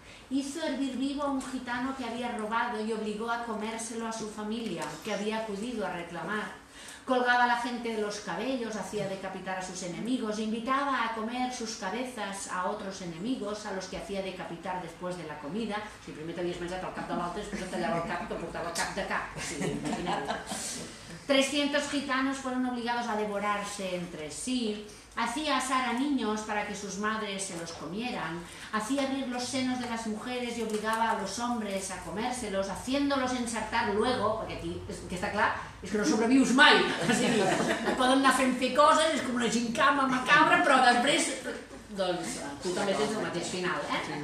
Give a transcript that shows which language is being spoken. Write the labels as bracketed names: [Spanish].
[Spanish] Hizo hervir vivo a un gitano que había robado y obligó a comérselo a su familia, que había acudido a reclamar. Colgaba a la gente de los cabellos, hacía decapitar a sus enemigos, invitaba a comer sus cabezas a otros enemigos, a los que hacía decapitar después de la comida. [Catalan] Si primer t'havies menjat el cap de l'altre, després et tallava el cap i te portava el cap de cap. Sí, imagina't. [Spanish] 300 gitanos fueron obligados a devorarse entre sí. Hacía asar a niños para que sus madres se los comieran. Hacía abrir los senos de las mujeres y obligaba a los hombres a comérselos, haciéndolos ensartar luego, [Catalan] porque aquí, que está claro, és que no sobrevius mai, o sigui, poden anar fent coses, és com una gincama macabra, però després, doncs, tu també tens el mateix final, eh?